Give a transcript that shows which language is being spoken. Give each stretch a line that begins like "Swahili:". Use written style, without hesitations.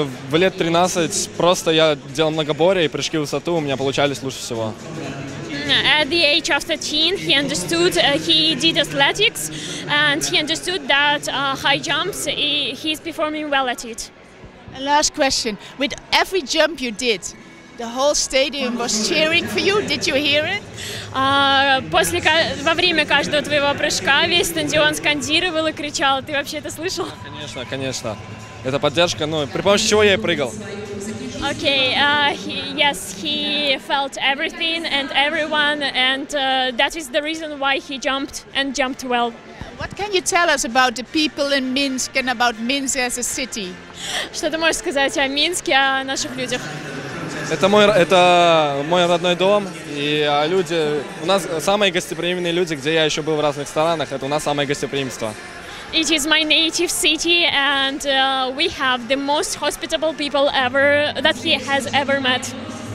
Russian: В лет 13 просто я делал многоборья и прыжки в высоту у меня получались лучше всего.
English: At the age of 13, he understood he did athletics, and he understood that high jumps he's performing well at it. And last question: with every jump you did, the whole stadium was cheering for you. Did you hear it?
Russian: Во время каждого твоего прыжка весь стадион скандировал и кричал. Ты вообще это слышал? Конечно, конечно. Это поддержка. При помощи чего я и прыгал.
English: Okay, yes, he felt everything and everyone, and that is the reason why he jumped and jumped well. What can you tell us about the people in Minsk and about Minsk as a city?
Russian: Что ты можешь сказать о Минске, о наших людях? Это мой родной дом, и люди у нас самые гостеприимные люди, где я еще был в разных странах. Это у нас самое гостеприимство.
English: It is my native city, and we have the most hospitable people ever that he has ever met.